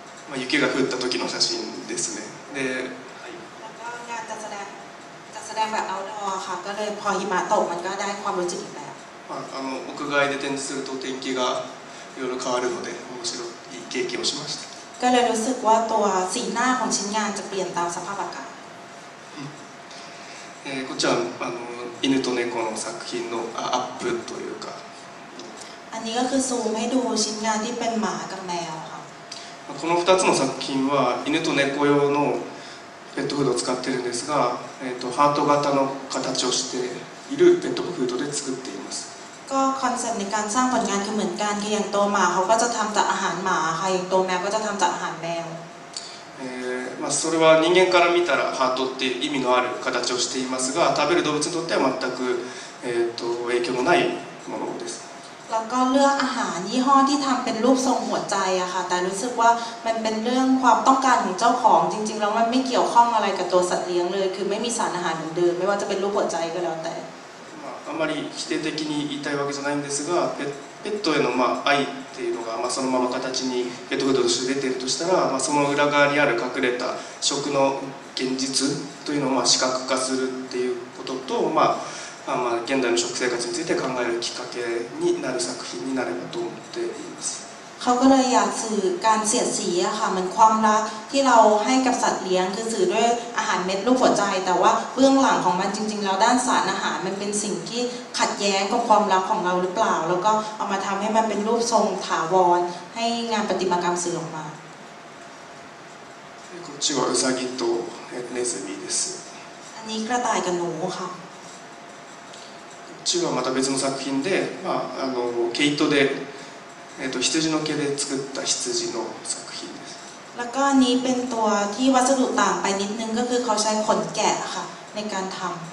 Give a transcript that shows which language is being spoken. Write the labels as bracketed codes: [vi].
[ja] まあ雪が降った時の写真ですね。で、はい。 [th] แล้วก็งานจัดแสดงแบบเอาท์ดอร์ค่ะก็เลยพอหิมะตกมันก็ได้ความรู้สึกแบบ。 [ja] まああの屋外で展示すると天気が夜変わるので面白い経験をしました。 [th] ก็เลยรู้สึกว่าตัวสีหน้าของชิ้นงานจะเปลี่ยนตามสภาพอากาศ [ja] こちらあの犬と猫の作品のアップというか。 [th] อันนี้ก็คือซูมให้ดูชิ้นงานที่เป็นหมากับแมวค่ะ。 [ja] この2つの作品は犬と猫用のペットフードを使ってるんですが、ハート型の形をしているペットフードで作っています。 [th] ก็คอนเซ็ปต์ในการสร้างผลงานคือเหมือนกันคืออย่างตัวหมาเขาก็จะทำจากอาหารหมาค่ะอย่างตัวแมวก็จะทำจากอาหารแมว [ja] まあ、それは人間から見たらハートって意味のある形をしていますが、食べる動物にとっては全く影響のないものです。 [th] แล้วก็เลือกอาหารยี่ห้อที่ทำเป็นรูปทรงหัวใจอะค่ะแต่รู้สึกว่ามันเป็นเรื่องความต้องการของเจ้าของจริงๆแล้วมันไม่เกี่ยวข้องอะไรกับตัวสัตว์เลี้ยงเลยคือไม่มีสารอาหารเหมือนเดิมไม่ว่าจะเป็นรูปหัวใจก็แล้วแต่ [ja] まああまり否定的に言いたいわけじゃないんですが、ペットへのまあ愛っていうのがまあそのまま形にペットフードとして出ているとしたら、まあその裏側にある隠れた食の現実というのをまあ視覚化するっていうことと、まあまあ現代の食生活について考えるきっかけになる作品になればと思っています。 [th] เขาก็เลยอยากสื่อการเสียดสีอะค่ะเหมือนความรักที่เราให้กับสัตว์เลี้ยงคือสื่อด้วยอาหารเม็ดรูปหัวใจแต่ว่าเบื้องหลังของมันจริงๆแล้วด้านสารอาหารมันเป็นสิ่งที่ขัดแย้งกับความรักของเราหรือเปล่าแล้วก็เอามาทำให้มันเป็นรูปทรงถาวรให้งานประติมากรรมสื่อออกมา [ja] こっちはウサギとネズミです。 [th] อันนี้กระต่ายกับหนูค่ะ [ja] こっちはまた別の作品で、まああの毛糸で羊の毛で作った羊の作品です。 [th] แล้วก็นี้เป็นตัวที่วัสดุต่างไปนิดนึงก็คือเขาใช้ขนแกะค่ะในการทำ。